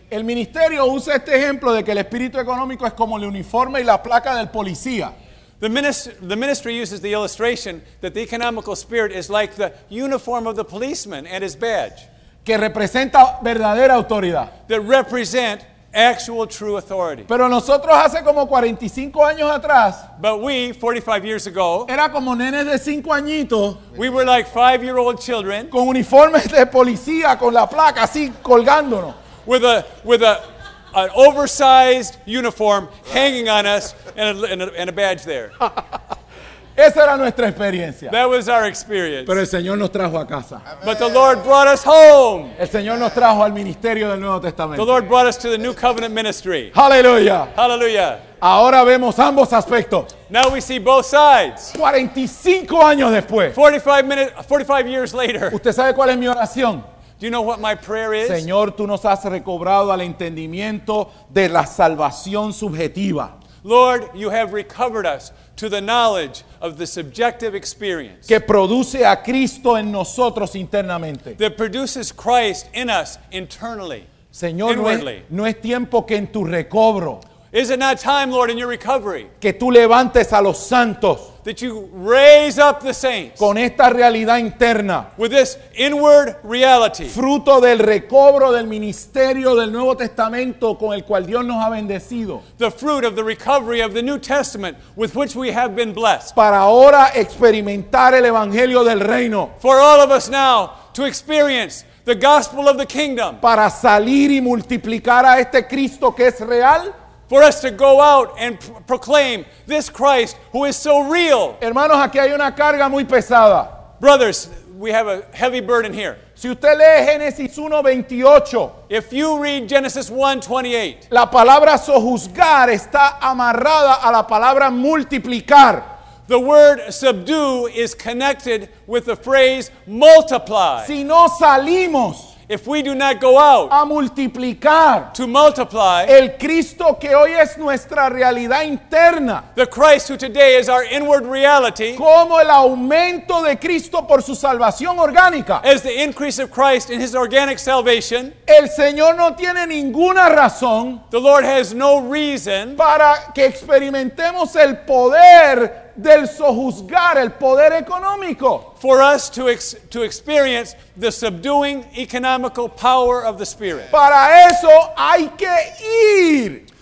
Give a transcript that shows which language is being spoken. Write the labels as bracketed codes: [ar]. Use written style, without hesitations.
[es] El ministerio usa este ejemplo de que el espíritu económico es como el uniforme y la placa del policía. [en] The ministry uses the illustration that the economical spirit is like the uniform of the policeman and his badge. [es] Que representa verdadera autoridad. [en] That represent actual true authority. [es] Pero nosotros hace como 45 años atrás, [en] but we, 45 years ago, [es] era como nenes de 5 añitos, [en] we were like 5-year-old children, [es] con uniformes de policía, con la placa así colgándonos, [en] with an oversized uniform hanging on us and a badge there. [es] Esa era nuestra experiencia. [en] That was our experience. [es] Pero el Señor nos trajo a casa. [en] Amen. But the Lord brought us home. [es] El Señor nos trajo al ministerio del Nuevo Testamento. [en] The Lord brought us to the New Covenant ministry. Hallelujah. Hallelujah. [es] Ahora vemos ambos aspectos. [en] Now we see both sides. [es] 45 años después. [en] 45 years later. [es] ¿Usted sabe cuál es mi oración? [en] Do you know what my prayer is? [es] Señor, tú nos has recobrado al entendimiento de la salvación subjetiva. [en] Lord, you have recovered us to the knowledge of the subjective experience [es] que produce a Cristo en nosotros internamente. [en] That produces Christ in us internally. [es] Señor, [en] inwardly. [es] No es tiempo que en tu recobro. [en] Is it not time, Lord, in your recovery? [es] Que tú levantes a los santos. [en] That you raise up the saints. [es] Con esta realidad interna. [en] With this inward reality. [es] Fruto del recobro del ministerio del Nuevo Testamento con el cual Dios nos ha bendecido. [en] The fruit of the recovery of the New Testament with which we have been blessed. [es] Para ahora experimentar el evangelio del reino. [en] For all of us now to experience the gospel of the kingdom. [es] Para salir y multiplicar a este Cristo que es real. [en] For us to go out and proclaim this Christ who is so real. [es] Hermanos, aquí hay una carga muy pesada. [en] Brothers, we have a heavy burden here. [es] Si usted lee Génesis 1:28, [en] if you read Genesis 1:28, [es] la palabra sojuzgar está amarrada a la palabra multiplicar. [en] The word subdue is connected with the phrase multiply. [es] Si no salimos, [en] if we do not go out [es] a multiplicar, [en] to multiply [es] el Cristo que hoy es nuestra realidad interna, [en] the Christ who today is our inward reality, [es] como el aumento de Cristo por su salvación orgánica, [en] as the increase of Christ in his organic salvation, [es] el Señor no tiene ninguna razón, [en] the Lord has no reason, [es] para que experimentemos el poder del sojuzgar, el poder económico. [en] For us to experience the subduing economical power of the Spirit. [es] Para eso hay que ir.